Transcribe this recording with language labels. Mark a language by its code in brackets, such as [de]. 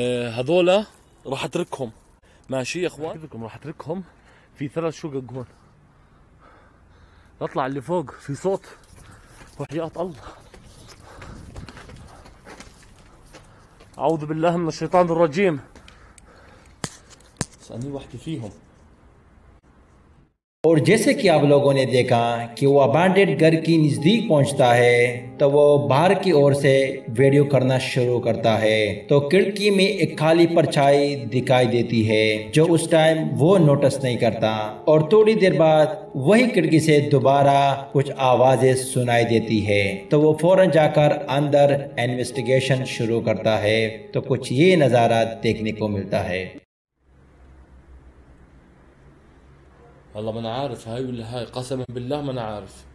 [ar] هذولا راح اتركهم ماشي يا اخوان، اتركهم راح اتركهم في ثلاث شقق هون. اطلع اللي فوق في صوت وحياة الله. اعوذ بالله من الشيطان الرجيم. اسألني واحدة فيهم. [hi] और जैसे कि आप लोगों ने देखा कि वो अबैंडेड घर की नज़दीक पहुंचता है तो वो बाहर की ओर से वीडियो करना शुरू करता है तो खिड़की में एक खाली परछाई दिखाई देती है जो उस टाइम वो नोटिस नहीं करता और थोड़ी देर बाद वही खिड़की से दोबारा कुछ आवाजें सुनाई देती है तो वो फौरन जाकर अंदर इन्वेस्टिगेशन शुरू करता है तो कुछ ये नज़ारा देखने को मिलता है। [ar] والله ما انا عارف هاي ولا هاي، قسما بالله ما انا عارف.